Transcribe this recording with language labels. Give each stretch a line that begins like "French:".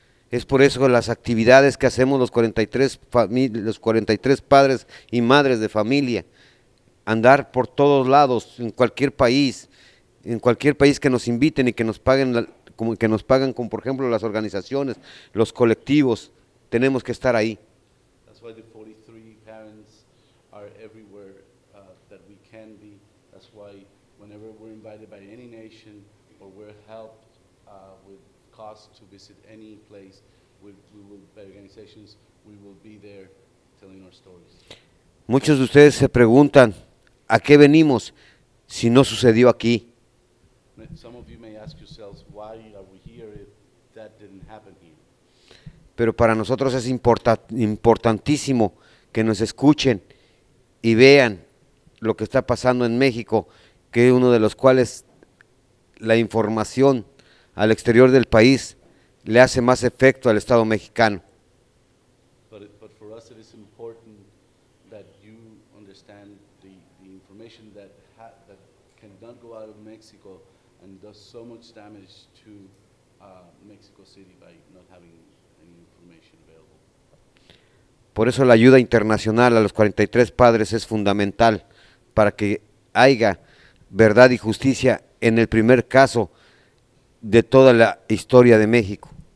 Spanish: Es por eso que las actividades que hacemos los 43 padres y madres de familia, andar por todos lados, en cualquier país que nos inviten y que nos paguen como por ejemplo las organizaciones, los colectivos, tenemos que estar ahí.
English: That's why the 43 parents are everywhere that we can be. That's why whenever we're invited by any nation or we're helped with costs to visit any place by organizations, we will be there telling our stories.
Spanish: Muchos de ustedes se preguntan, ¿a qué venimos si no sucedió aquí?
English: Some of you may ask yourselves, why are we here if that didn't happen here?
Spanish: Pero para nosotros es importantísimo que nos escuchen y vean lo que está pasando en México, que es uno de los cuales la información al exterior del país le hace más efecto al Estado mexicano.
English: But for us it is important that you understand the information that cannot go out of Mexico and does so much damage to Mexico City by not having any information available.
Spanish: Por eso la ayuda internacional a los 43 padres es fundamental para que haya verdad y justicia en el primer caso de toda la historia de México.